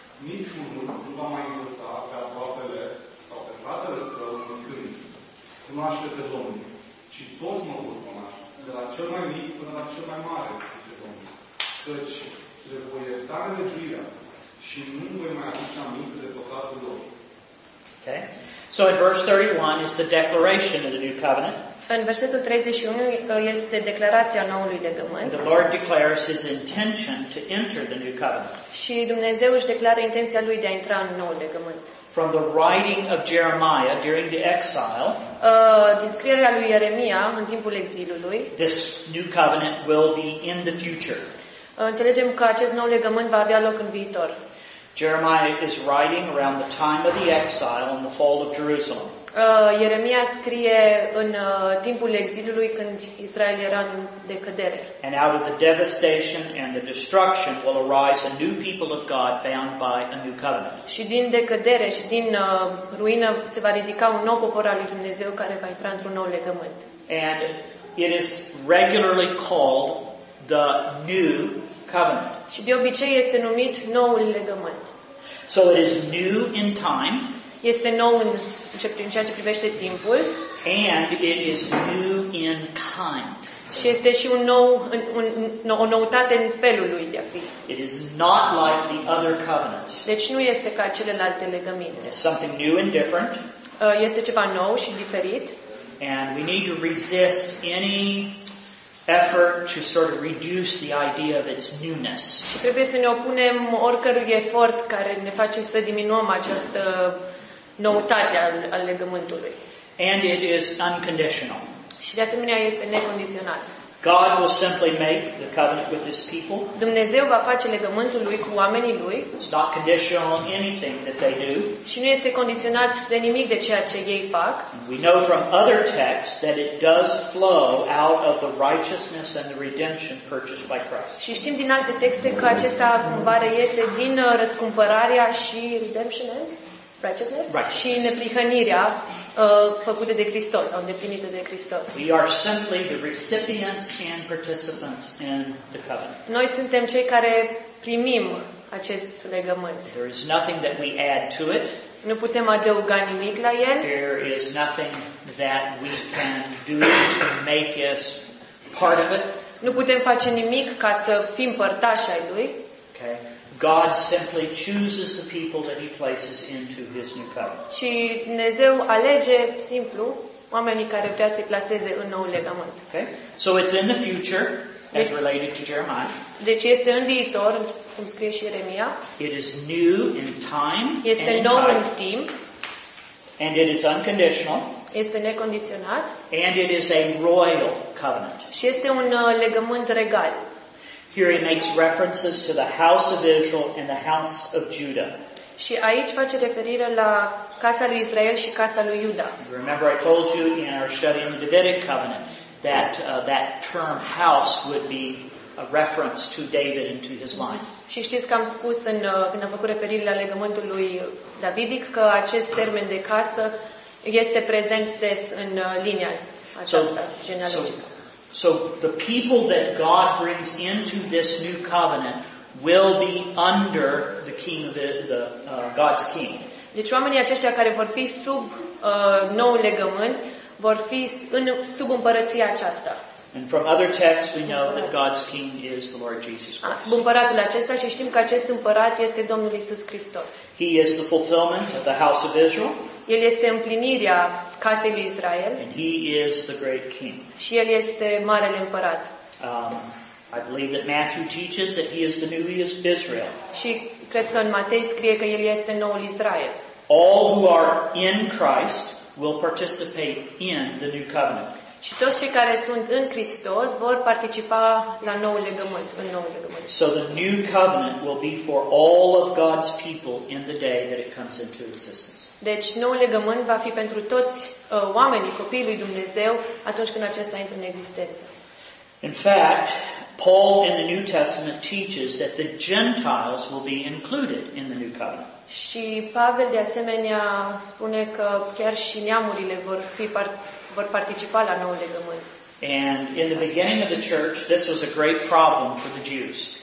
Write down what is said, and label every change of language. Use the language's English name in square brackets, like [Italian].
[Romanian] Niciunul nu va mai învăța pe aproapele sau pe fratele său în când cunoaște pe Domnul, ci toți mă vor cunoaște, de la cel mai mic până la cel mai mare, zice Domnul. Căci le voi ierta legiuirea și nu voi mai aduce aminte de păcatul lor. [English] Okay. So in verse 31 is the declaration of the new covenant. [Romanian] În versetul 31 este declarația noului legământ. [English] The Lord declares his intention to enter the new covenant. [Romanian] Și Dumnezeu își declară intenția lui de a intra în noul legământ. [English] From the writing of Jeremiah during the exile. [Romanian] Din scrierea lui Ieremia în timpul exilului. [English] This new covenant will be in the future. [Romanian] Înțelegem că acest nou legământ va avea loc în viitor. [English] Jeremiah is writing around the time of the exile and the fall of Jerusalem. [Romanian] Ieremia scrie în timpul exilului când Israel era în decădere. [English] And out of the devastation and the destruction will arise a new people of God bound by a new covenant. [Romanian] Și din decădere și din ruină se va ridica un nou popor al lui Dumnezeu care va intra într-un nou legământ. [English] And it is regularly called the new covenant. [Romanian] Și de obicei este numit noul legământ. [English] So it is new in time. [Romanian] Este nou în ceea ce privește timpul. [English] And it is new in kind. [Romanian] Și este și o noutate în felul lui de a fi. [English] It is not like the other covenants. [Romanian] Deci nu este ca celelalte legăminte. [English] It's something new and different. [Romanian] Este ceva nou și diferit. [English] And we need to resist any effort to sort of reduce the idea of its newness. [Romanian] Și trebuie să ne opunem oricărui efort care ne face să diminuăm această noutate al legământului. [English] And it is unconditional. [Romanian] Și de asemenea este necondiționat. [English] God will simply make the covenant with his people. [Romanian] Dumnezeu va face legământul lui cu oamenii lui. [English] It's not conditional on anything that they do. [Romanian] Și nu este condiționat de nimic de ceea ce ei fac. [English] We know from other texts that it does flow out of the righteousness and the redemption purchased by Christ. [Romanian] Și știm din alte texte că acesta cumva reiese din răscumpărarea și redemption, [English] righteousness [Romanian] și neprihănirea făcute de Hristos, sau îndeplinită de Hristos. [English] We are simply the recipients and participants in the covenant. [Romanian] Noi suntem cei care primim acest legământ. [English] There is nothing that we add to it. [Romanian] Nu putem adăuga nimic la el. [English] There is nothing that we can do to make us part of it. [Romanian] Nu putem face nimic ca să fim părtași ai lui. [English] Okay. God simply chooses the people that he places into his new covenant. [Romanian] Și Dumnezeu alege simplu oamenii care vrea să-i placeze în noul legământ. [English] Okay? So it's in the future as related to Jeremiah. [Romanian] Deci este în viitor, cum scrie și Ieremia. [English] It is new in time. [Romanian] Este nou în timp. [English] And it is unconditional. [Romanian] Este necondiționat. [English] And it is a royal covenant. [Romanian] Și este un legământ regal. [English] Here he makes references to the house of Israel and the house of Judah. [Romanian] Și aici face referire la casa lui Israel și casa lui Iuda. [English] Remember I told you in our study in the Davidic covenant, that that term house would be a reference to David and to his line. [Romanian] Și știți că am spus în când am făcut referire la legământul lui Davidic că acest termen de casă este prezent des în linia aceasta genealogică. [English] So the people that God brings into this new covenant will be under the king of God's king. [Romanian] Deci oamenii aceștia care vor fi sub noul legământ vor fi în sub împărăția aceasta. [English] And from other texts we know that God's king is the Lord Jesus Christ. [Romanian] Sub împăratul acesta și știm că acest împărat este Domnul Iisus Hristos. [English] He is the fulfillment of the house of Israel. [Romanian] El este împlinirea casei lui Israel. [English] And he is the great king. [Romanian] Și el este marele împărat. [English] I believe that Matthew teaches that he is the new Israel. [Romanian] Și cred că în Matei scrie că el este noul Israel. [English] All who are in Christ will participate in the new covenant. [Romanian] Și toți cei care sunt în Hristos vor participa la noul legământ, în noul legământ. [English] So the new covenant will be for all of God's people in the day that it comes into existence. [Romanian] Deci noul legământ va fi pentru toți oamenii, copiii lui Dumnezeu, atunci când acesta intră în existență. [English] In fact, Paul in the New Testament teaches that the Gentiles will be included in the new covenant. [Romanian] Și Pavel de asemenea spune că chiar și neamurile vor fi vor participa la noul legământ. [English] And in the beginning of the church, this was a great problem for the Jews.